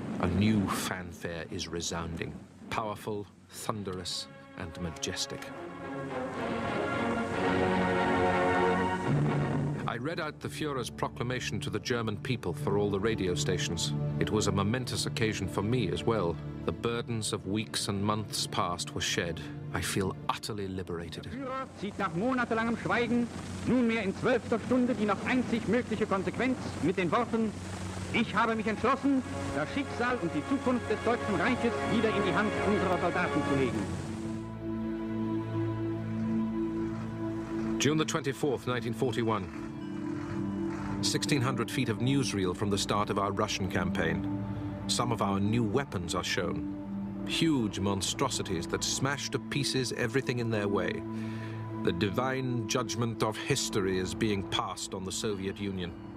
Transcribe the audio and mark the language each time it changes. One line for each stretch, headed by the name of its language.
English: A new fanfare is resounding, powerful, thunderous, and majestic. I read out the Führer's proclamation to the German people for all the radio stations. It was a momentous occasion for me as well. The burdens of weeks and months past were shed. I feel utterly liberated.
German: Der Führer zieht nach monatelangem Schweigen nunmehr in zwölfter Stunde die noch einzig mögliche Konsequenz mit den Worten: Ich habe mich entschlossen, das Schicksal und die Zukunft des Deutschen Reiches wieder in die Hand unserer Soldaten zu legen.
English: June the 24th, 1941. 1,600 feet of newsreel from the start of our Russian campaign. Some of our new weapons are shown. Huge monstrosities that smash to pieces everything in their way. The divine judgment of history is being passed on the Soviet Union.